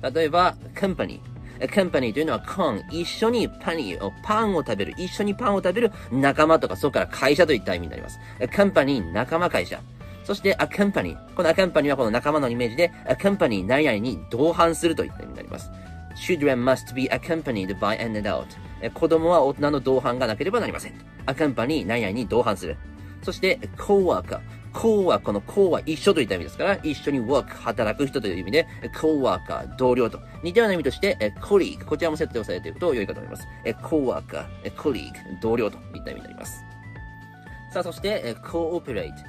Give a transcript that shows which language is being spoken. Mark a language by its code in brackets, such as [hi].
[ja] 例えば company というのは一緒にパンを食べる、一緒にパンを食べる仲間とか、そこから会社といった意味になります。 company 仲間会社。そして accompany、 この accompany はこの仲間のイメージで、 company 何々に同伴するといった意味になります。 [en] Children must be accompanied by an adult. [ja] 子供は大人の同伴がなければなりません。Accompany 何々に同伴する。そして coworker。この co は一緒といった意味ですから、一緒に work 働く人という意味で、coworker 同僚と似たような意味として、colleague、 こちらもセットをされていくと良いかと思います。 coworker、colleague 同僚といった意味になります。さあ、そして cooperate。